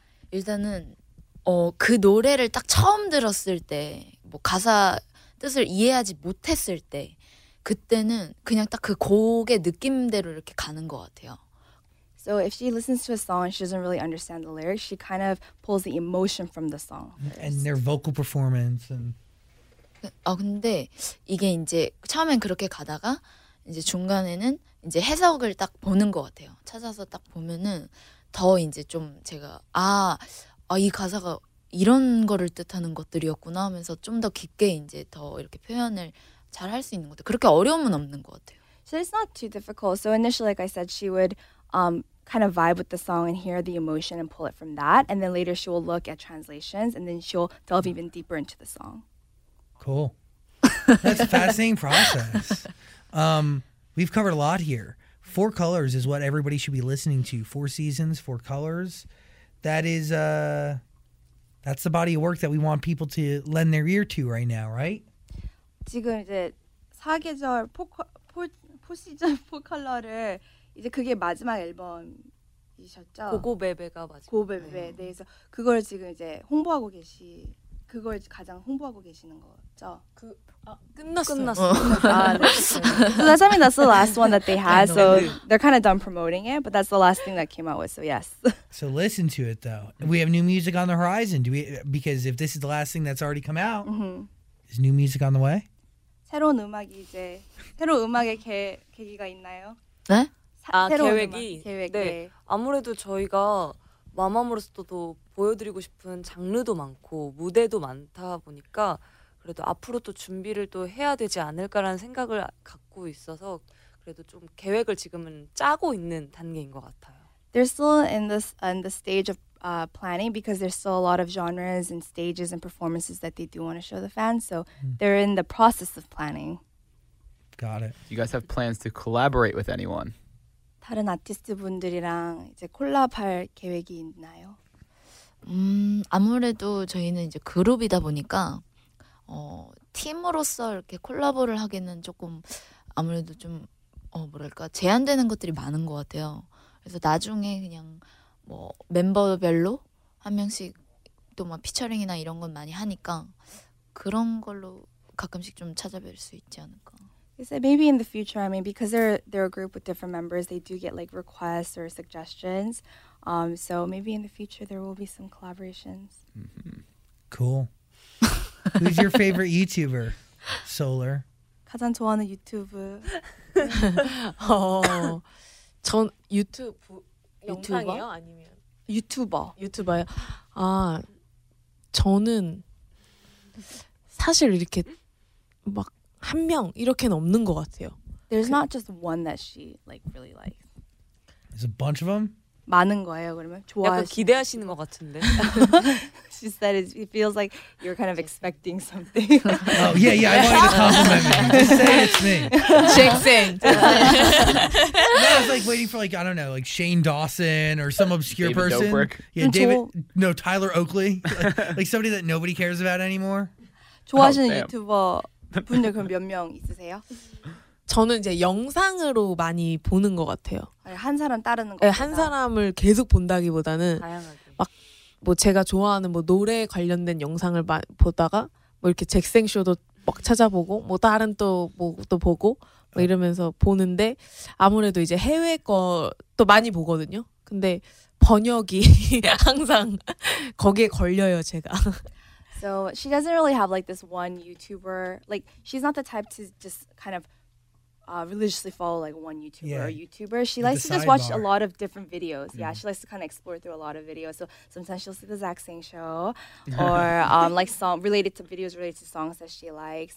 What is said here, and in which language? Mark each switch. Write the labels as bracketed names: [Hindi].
[Korean] 일단은 그 노래를 딱 처음 들었을 때 뭐 가사 뜻을 이해하지 못했을 때 그때는 그냥 딱 그 곡의 느낌대로 이렇게 가는 것 같아요. [English] So if she listens to a song, she doesn't really understand the lyrics. She kind of pulls the emotion from the song. First. And their vocal performance. And [Korean] 근데 이게 이제 처음엔 그렇게 가다가 이제 중간에는 이제 해석을 딱 보는 것 같아요. 찾아서 딱 보면은 더 이제 좀 제가 이 가사가 이런 거를 뜻하는 것들이었구나 하면서 좀 더 깊게 이제 더 이렇게 표현을 잘 할 수 있는 것 같아요. 그렇게 어려움은 없는 것 같아요. So it's not too difficult. So initially, like I said, she would kind of vibe with the song and hear the emotion and pull it from that. And then later she will look at translations and then she'll delve even deeper into the song. Cool. That's a fascinating process. We've covered a lot here. Four Colors is what everybody should be listening to. Four Seasons, Four Colors. That is that's the body of work that we want people to lend their ear to right now, right? 지금 이제 사계절 포시즌 포컬러를 이제 그게 마지막 앨범이셨죠? 고고베베가 마지막. 고고베베. 네. 그래서 그걸 지금 이제 홍보하고 계시 그걸 가장 홍보하고 계시는 거죠? 그 끝났어. 끝났어. 아, 네. [English] So that's, I mean, that's the last one that they had. So they're kind of done promoting it, but that's the last thing that came out with. So yes. So listen to it though. We have new music on the horizon. Do we? Because if this is the last thing that's already come out. Mm-hmm. Is new music on the way? [Korean] 새로운 음악이 이제 새로운 음악의 계기가 있나요? 네? 새로운 계획이 음악, 계획. 네. 네. 아무래도 저희가 마마무로서도 보여드리고 싶은 장르도 많고 무대도 많다 보니까 그래도 앞으로 또 준비를 또 해야 되지 않을까라는 생각을 갖고 있어서 그래도 좀 계획을 지금은 짜고 있는 단계인 것 같아요. [English] They're still in the stage of planning because there's still a lot of genres and stages and performances that they do want to show the fans, so they're in the process of planning. Got it. Do you guys have plans to collaborate with anyone? [Korean] 다른 아티스트분들이랑 이제 콜라보할 계획이 있나요? 아무래도 저희는 이제 그룹이다 보니까 팀으로서 이렇게 콜라보를 하기는 조금 아무래도 좀 뭐랄까 제한되는 것들이 많은 것 같아요. 그래서 나중에 그냥 뭐 멤버별로 한 명씩 또 막 피처링이나 이런 건 많이 하니까 그런 걸로 가끔씩 좀 찾아뵐 수 있지 않을까. [English] He said maybe in the future. I mean, because they're a group with different members, they do get like requests or suggestions. So maybe in the future there will be some collaborations. Mm-hmm. Cool. Who's your favorite YouTuber, Solar? [Korean] 가장 좋아하는 유튜브. 전 유튜브. 영상이요? 아니면 유튜버요? 아 저는 사실 이렇게 막 한 명 이렇게는 없는 것 같아요. [English] There's not just one that she like really likes. There's a bunch of them. [Korean] 많은 거예요 그러면 좋아하시는. 약간 기대하시는 것 같은데. [English] She said it feels like you're kind of expecting something. Oh yeah, yeah. I wanted to compliment you. Just say it's me. Shake Sing. No, I was like waiting for like I don't know, like Shane Dawson or some obscure David person. Dobrik. Yeah, David. No, Tyler Oakley. Like somebody that nobody cares about anymore. [Korean] 좋아하시는 유튜버. 분들 그럼 몇 명 있으세요? 저는 이제 영상으로 많이 보는 것 같아요. 한 사람 따르는 것보다? 한 사람을 계속 본다기보다는 다양하게. 막 뭐 제가 좋아하는 뭐 노래 관련된 영상을 보다가 뭐 이렇게 잭생쇼도 막 찾아보고 뭐 다른 또 뭐 또 보고 뭐 이러면서 보는데 아무래도 이제 해외 것도 많이 보거든요. 근데 번역이 항상 거기에 걸려요 제가. [English] So she doesn't really have like this one YouTuber. Like she's not the type to just kind of religiously follow like one YouTuber or YouTuber. She likes to just watch a lot of different videos. Yeah, she likes to kind of explore through a lot of videos. So sometimes she'll see the Zach Sang show or like song related to videos related to songs that she likes.